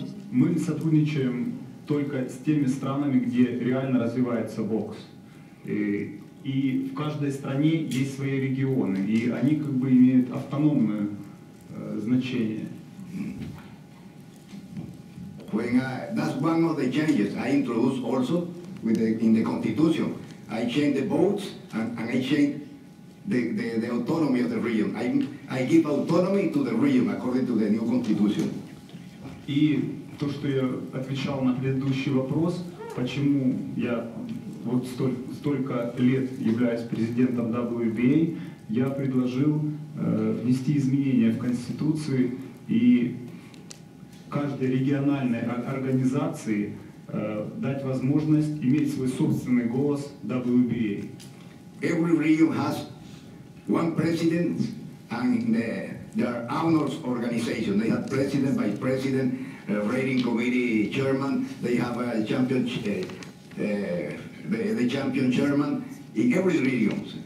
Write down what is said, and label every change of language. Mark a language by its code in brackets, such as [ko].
[ru] Мы сотрудничаем только с теми странами, где реально развивается бокс. И в каждой стране есть свои регионы, и они как бы имеют автономное значение. [en] That's one of the changes I introduced also in the constitution. I change the votes and I change the autonomy of the region. I give autonomy to the region according to the new constitution. [ru] И то, что я отвечал на предыдущий вопрос, почему я вот столько лет являюсь президентом WBA, я предложил внести изменения в конституцию и каждой региональной организации дать возможность иметь свой собственный голос WBA. [en] Every region has one president and there are honors organization. They have president, vice president, rating committee chairman. They have a champion, the champion chairman in every region.